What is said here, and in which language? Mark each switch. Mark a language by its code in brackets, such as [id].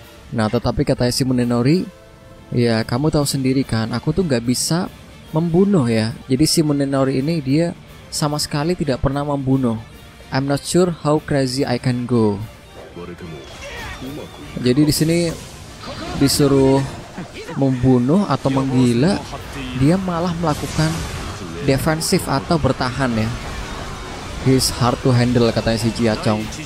[id] Nah, tetapi katanya si Munenori, ya kamu tahu sendiri kan, aku tuh nggak bisa membunuh ya. Jadi si Munenori ini dia sama sekali tidak pernah membunuh. [en] I'm not sure how crazy I can go. [id] Jadi di sini disuruh membunuh atau menggila, dia malah melakukan defensif atau bertahan ya. [en] He's hard to handle [id] katanya si Jiachong.